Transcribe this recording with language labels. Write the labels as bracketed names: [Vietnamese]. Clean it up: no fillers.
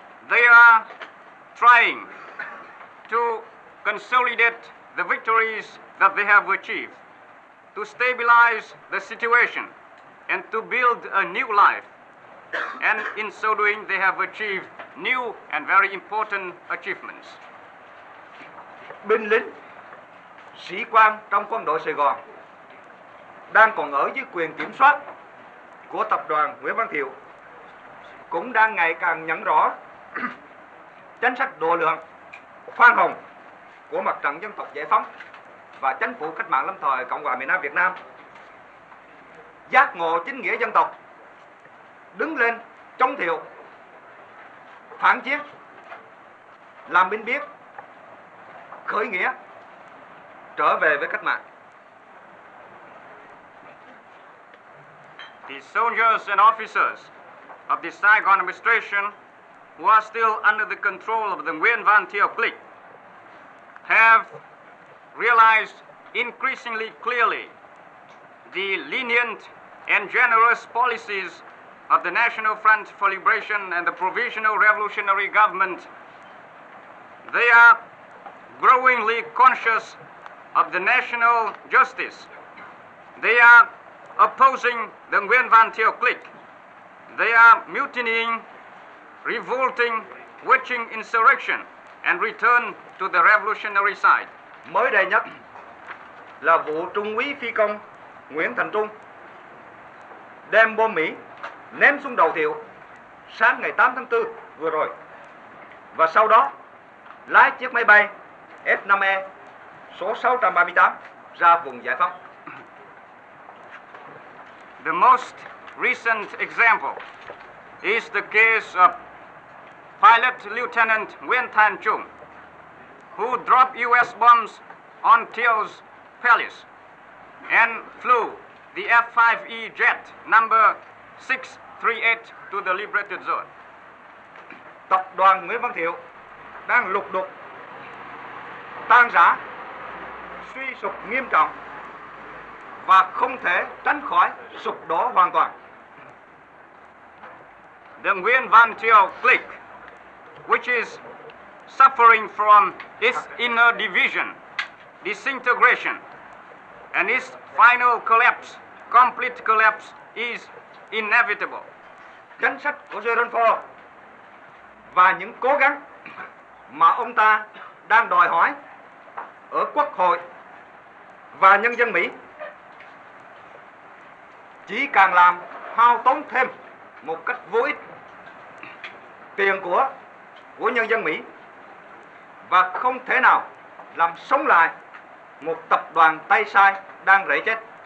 [English] They are trying to consolidate the victories that they have achieved, to stabilize the situation, and to build a new life. And in so doing, they have achieved new and very important achievements. [Vietnamese] Binh lính, sĩ quan trong quân đội Sài Gòn đang còn ở dưới quyền kiểm soát của tập đoàn Nguyễn Văn Thiệu cũng đang ngày càng nhận rõ chính sách độ lượng, khoan hồng của Mặt trận Dân tộc Giải phóng và Chính phủ Cách mạng Lâm thời Cộng hòa miền Nam Việt Nam. Giác ngộ chính nghĩa dân tộc, đứng lên chống Thiệu, phản chiến, làm binh biết, khởi nghĩa, trở về với cách mạng. [English] The soldiers and officers of the Saigon administration who are still under the control of the Nguyễn Văn Thiệu clique have realized increasingly clearly the lenient and generous policies of the National Front for Liberation and the Provisional Revolutionary Government. They are growingly conscious of the national justice. They are opposing the Nguyen Van Thiệu clique. They are mutinying, revolting, witching insurrection and return to the revolutionary side. [Vietnamese] Mới đây nhất là vụ trung úy phi công Nguyễn Thành Trung đem bom Mỹ ném xuống đầu Thiệu sáng ngày 8 tháng 4 vừa rồi. Và sau đó lái chiếc máy bay F-5E số 638 ra vùng giải phóng. [English] The most recent example is the case of pilot Lieutenant Nguyễn Thành Trung, who dropped U.S. bombs on Thiệu's palace and flew the F-5E jet number 638 to the liberated zone. [Vietnamese] Tập đoàn Nguyễn Văn Thiệu đang lục đục, tan rã, suy sụp nghiêm trọng và không thể tránh khỏi sụp đổ hoàn toàn. [English] The Nguyễn Văn Thiệu clique, which is suffering from its inner division, disintegration, and its final collapse, complete collapse, is inevitable. [Vietnamese] Chính sách của Gerald Ford và những cố gắng mà ông ta đang đòi hỏi ở Quốc hội và nhân dân Mỹ chỉ càng làm hao tốn thêm một cách vô ích tiền của nhân dân Mỹ và không thể nào làm sống lại một tập đoàn tay sai đang rẫy chết.